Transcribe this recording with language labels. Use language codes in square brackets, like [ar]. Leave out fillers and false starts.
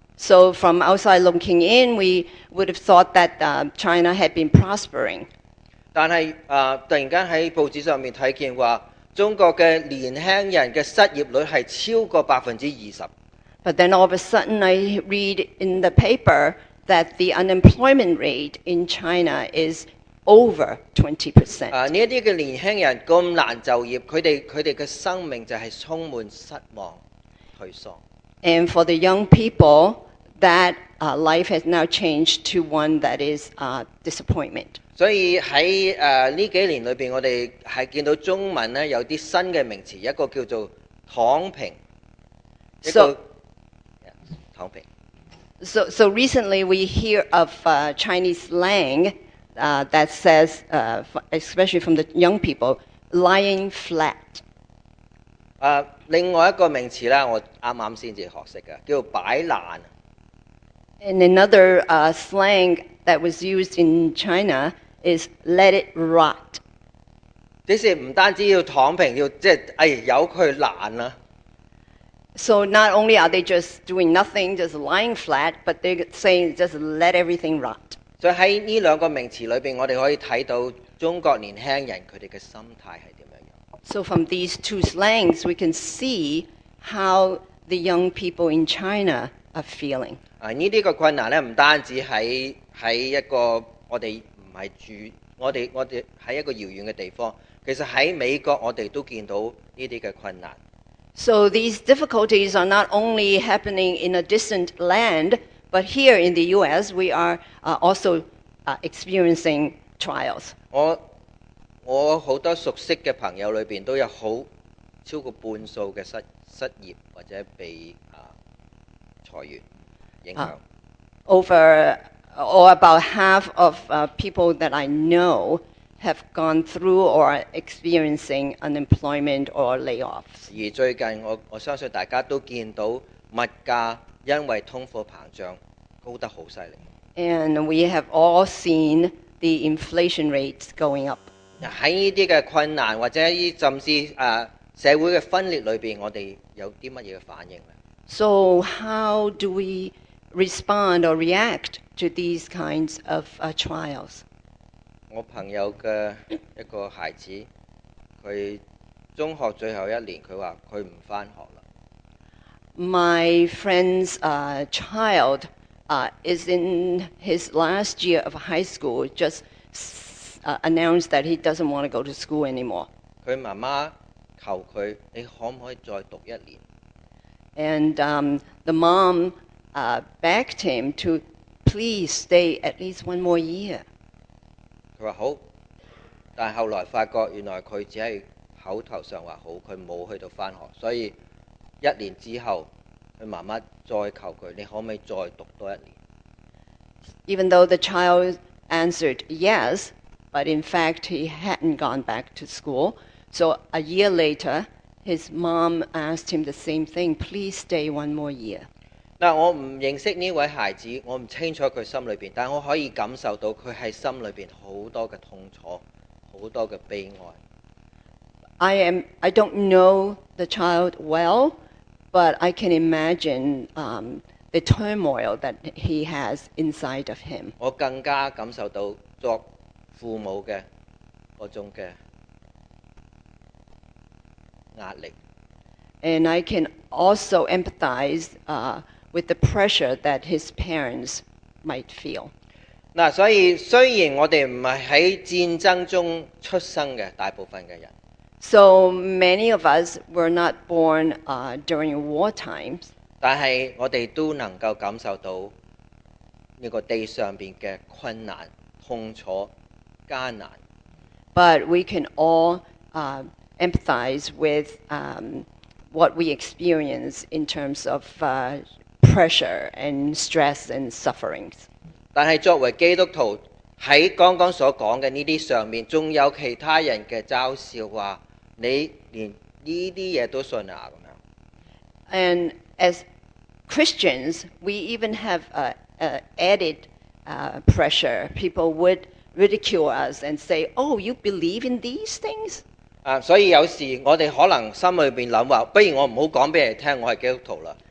[en] So from outside looking in, we would have thought that China had been prospering. [yue] 但是突然间在报纸上面看见说中国的年轻人的失业率是超过 20%。 [en] But then all of a sudden I read in the paper that the unemployment rate in China is over 20%. [yue] 这些年轻人这么难就业，他们的生命就是充满失望退丧。 [en] And for the young people, that life has now changed to one that is disappointment. [yue] 所以在这几年里面，我们是看到中文呢有些新的名词，一个叫做躺平。躺平。 [en] So recently we hear of Chinese slang that says, especially from the young people, lying flat. [yue] 另外一个名词呢，我刚刚才学会的，叫摆烂。 [en] And another slang that was used in China,is let it rot. [yue] 即是不单止要躺平，要即系，哎，由佢烂啦。 [en] So not only are they just doing nothing, just lying flat, but they're saying just let everything rot. [yue] 所以喺呢两个名词里边，我哋可以睇到中国年轻人佢哋嘅心态系点样。 [en] So from these two slangs, we can see how the young people in China are feeling. [yue] 呢啲嘅困难咧，唔单止喺一个我哋。不是住我们在一个遥远的地方，其实在美国我们都见到这些的困难。 [en] So these difficulties are not only happening in a distant land, but here in the US we are also experiencing trials. [yue] 我很多熟悉的朋友里面都有好超过半数的失业或者被裁员影响。 [en] Over or about half of people that I know have gone through or are experiencing unemployment or layoffs. [yue] 而最近我相信大家都見到物價因為通貨膨脹高得好犀利。 [en] And we have all seen the inflation rates going up. [yue] 在這些的困難或者甚至社會的分裂裏面，我們有什麼反應呢？ [en] So how do we respond or react to these kinds of trials? [yue] 我朋友的一個孩子，他中學最後一年，他說他不上學了。 [en] My friend's child is in his last year of high school, just announced that he doesn't want to go to school anymore. [yue] 他媽媽求他，你可不可以再讀一年？ [en] And the mom begged him to please stay at least one more year. [yue] 他說好，但後來發覺原來他只是口頭上說好，他沒有去上學，所以一年之後他媽媽再求他，你可不可以再讀多一年？ [en] Even though the child answered yes, but in fact he hadn't gone back to school. So a year later, his mom asked him the same thing, please stay one more year. [yue] 我不認識這位孩子，我不清楚他心裡，但我可以感受到他在心裡很多的痛楚，很多的悲哀。 [en] I don't know the child well, but I can imagine the turmoil that he has inside of him. [yue] 我更加感受到作父母的那種的壓力。 [en] And I can also empathize with the pressure that his parents might feel. [yue] 所以雖然我們不是在戰爭中出生的，大部分的人。 [en] So many of us were not born during war times. [yue] 但是我們都能夠感受到這個地上面的困難、痛楚、艱難。 [en] But we can all empathize with what we experience in terms of pressure and stress and sufferings. [yue] 但是作為基督徒，在剛剛所說的這些上面，還有其他人的嘲笑，說你連這些東西都信啊。 [en] And as Christians, we even have added pressure. People would ridicule us and say, oh, you believe in these things? [yue] 所以有時我們可能心裏面想，不如我不要告訴別人聽我是基督徒了。